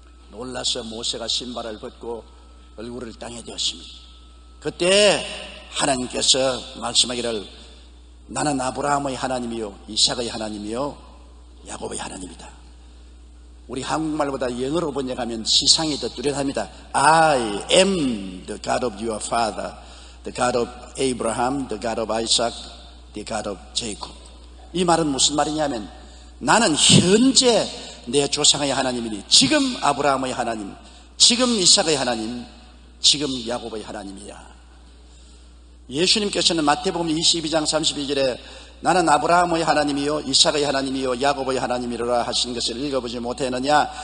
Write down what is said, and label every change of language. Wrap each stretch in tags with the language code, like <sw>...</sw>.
<ko>놀라서 모세가 신발을 벗고 얼굴을 땅에 대었습니다. 그때 하나님께서 말씀하기를 나는 아브라함의 하나님이요 이삭의 하나님이요 야곱의 하나님이다. 우리 한국말보다 영어로 번역하면 지상이 더 뚜렷합니다.</ko> <en>I am the God of your father, the God of Abraham, the God of Isaac, the God of Jacob.</en> <ko>이 말은 무슨 말이냐면 나는 현재 내 조상의 하나님이니 지금 아브라함의 하나님, 지금 이삭의 하나님, 지금 야곱의 하나님이야. 예수님께서는 마태복음 22장 32절에 나는 아브라함의 하나님이요 이삭의 하나님이요 야곱의 하나님이로라 하신 것을 읽어보지 못했느냐.</ko>